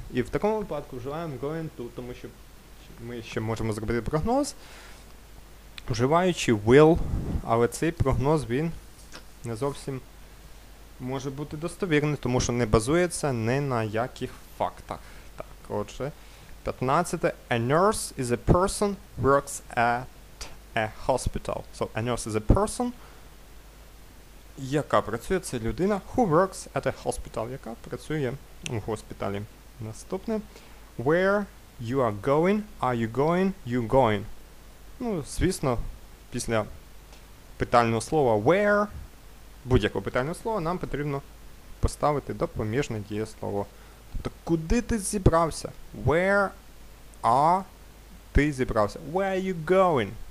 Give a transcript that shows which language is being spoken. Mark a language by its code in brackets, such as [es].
[uk] І в такому випадку вживаємо going to, тому що ми ще можемо зробити прогноз, вживаючи will, але цей прогноз, він не зовсім може бути достовірний, тому що не базується ні на яких фактах. Так, отже, 15-те. [en] A nurse is a person who works at a hospital. So, a nurse is a person, [uk] яка працює, це людина, [en] who works at a hospital, [uk] яка працює у госпіталі. Наступне. [en] Where you are going, are you going, you going. [uk] Ну, звісно, після питального слова where, будь-яке питальне слово, нам потрібно поставити допоміжне дієслово. Тобто, куди ти зібрався? Where are ти зібрався? [en] Where are you going?